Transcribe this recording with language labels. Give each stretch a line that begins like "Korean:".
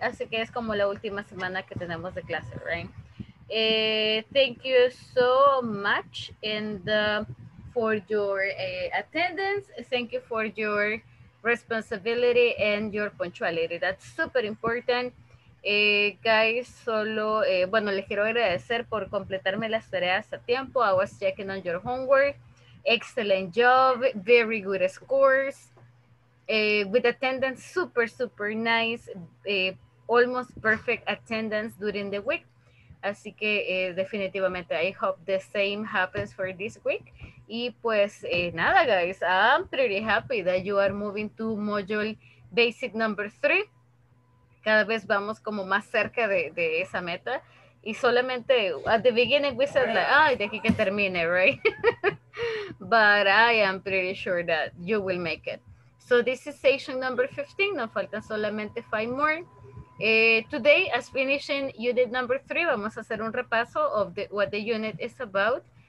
Spanish: Así que es como la última semana que tenemos de clase, right?
English: Thank you so much and for your attendance. Thank you for your responsibility and your punctuality. That's super important.
Spanish: Guys, solo, bueno, les quiero agradecer por completarme las tareas a tiempo.
English: I was checking on your homework. Excellent job. Very good scores. With attendance, super, super nice. Almost perfect attendance during the week.
Spanish: Así que definitivamente,
English: I hope the same happens for this week.
Spanish: Y pues nada,
English: guys, I'm pretty happy that you are moving to module basic number 3.
Spanish: Cada vez vamos como más cerca de esa meta. Y solamente,
English: at the beginning we said, like,
Spanish: ay, de aquí que termine, right?
English: But I am pretty sure that you will make it. So this is session number 15.
Spanish: Nos faltan solamente
English: 5 more. Today, as finishing unit number 3,
Spanish: vamos a hacer un repaso
English: of the, what the unit is about.